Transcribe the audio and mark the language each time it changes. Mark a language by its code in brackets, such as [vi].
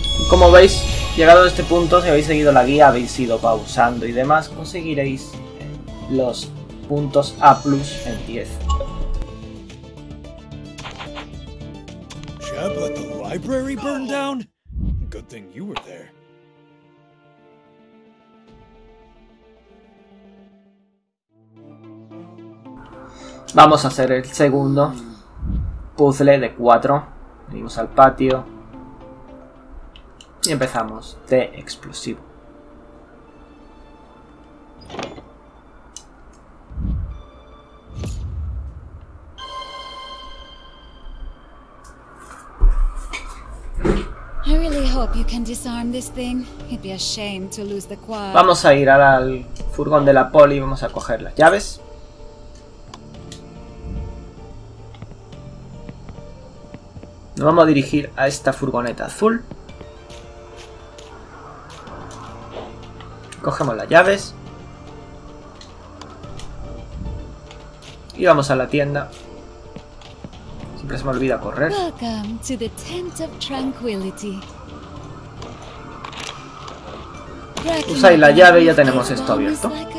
[es] Como veis, llegado a este punto, si habéis seguido la guía, habéis ido pausando y demás, conseguiréis los puntos A plus en 10. [en] Jeb, let the library burn down? Good thing you were there. [es] Vamos a hacer el segundo puzzle de 4. Venimos al patio. Y empezamos de explosivo. [en] I really hope you can disarm this thing. It'd be a shame to lose the quad. [es] Vamos a ir al furgón de la poli y vamos a coger las llaves. Nos vamos a dirigir a esta furgoneta azul. Cogemos las llaves y vamos a la tienda. Siempre se me olvida correr. [en] Welcome to the Tent of Tranquility. [es] Usáis la llave y ya tenemos esto abierto.